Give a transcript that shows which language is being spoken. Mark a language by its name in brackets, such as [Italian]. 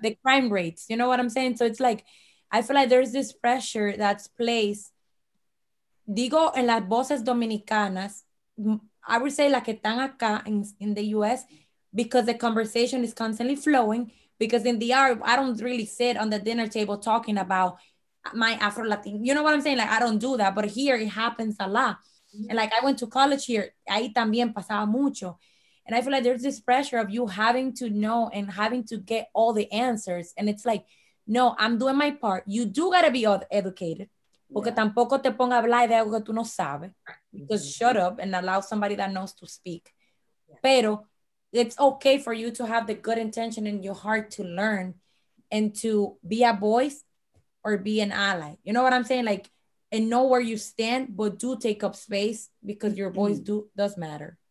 [English] the crime rates, you know what I'm saying? So it's like, I feel like there's this pressure that's placed, [Spanish] digo, en las voces dominicanas, [English] I would say like [Spanish] están acá [English] in the US, because the conversation is constantly flowing, because in the art, I don't really sit on the dinner table talking about my Afro-Latin, you know what I'm saying? Like, I don't do that, but here it happens a lot. Mm-hmm. And like, I went to college here, [Spanish] ahí también pasaba mucho. [English] And I feel like there's this pressure of you having to know and having to get all the answers. And it's like, no, I'm doing my part. You do gotta be educated. [Spanish] Porque tampoco te ponga a hablar de algo que tú no sabes. [English] Just shut up and allow somebody that knows to speak. Yeah. Pero it's okay for you to have the good intention in your heart to learn and to be a voice or be an ally. You know what I'm saying? Like, and know where you stand, but do take up space, because your voice does matter.